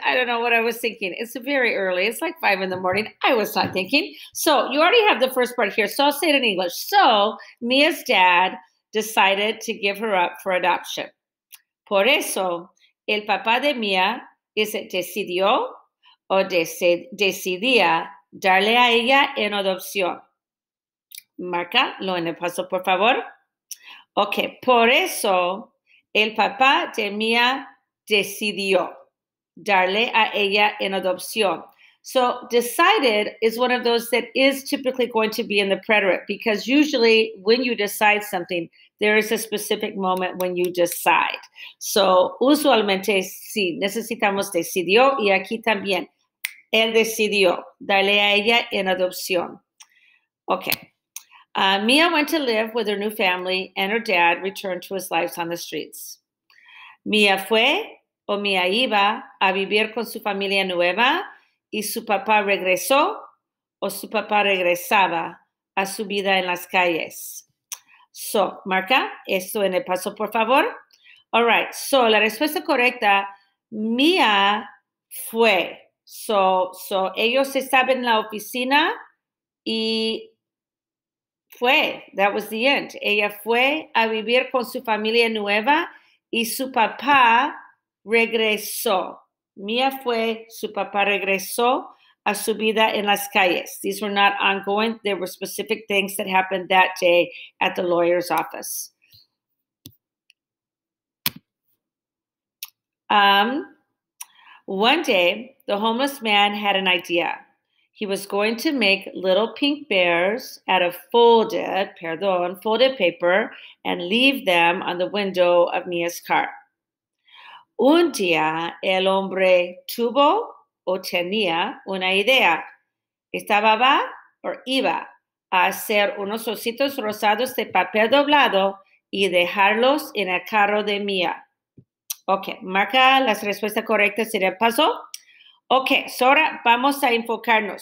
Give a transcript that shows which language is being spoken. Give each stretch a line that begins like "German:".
English: I don't know what I was thinking. It's very early. It's like 5 a.m. I was not thinking. So, you already have the first part here. So, I'll say it in English. So, Mia's dad decided to give her up for adoption.
Spanish: Por eso, el papá de Mia decidió o decidía darle a ella en adopción. Marca lo en el paso, por favor. Okay, por eso, el papá de Mia decidió darle a ella en adopción.
English: So, decided is one of those that is typically going to be in the preterite because usually when you decide something, there is a specific moment when you decide.
Spanish: So, usualmente, sí, necesitamos decidió y aquí también. Él decidió darle a ella en adopción.
English: Okay. Mia went to live with her new family and her dad returned to his life on the streets.
Spanish: Mia fue o Mia iba a vivir con su familia nueva y su papá regresó o su papá regresaba a su vida en las calles. So, marca esto en el paso, por favor.
English: All right,
Spanish: so la respuesta correcta, Mia fue. So ellos estaban en la oficina y fue.
English: That was the end.
Spanish: Ella fue a vivir con su familia nueva y su papá regresó. Mia fue, su papá regresó a su vida en las calles.
English: These were not ongoing. There were specific things that happened that day at the lawyer's office. One day, the homeless man had an idea. He was going to make little pink bears out of folded paper and leave them on the window of Mia's car.
Spanish: Un día, el hombre tuvo o tenía una idea. Estaba va o iba a hacer unos ositos rosados de papel doblado y dejarlos en el carro de Mia. Okay, marca las respuestas correctas y el paso. Okay, so ahora vamos a enfocarnos.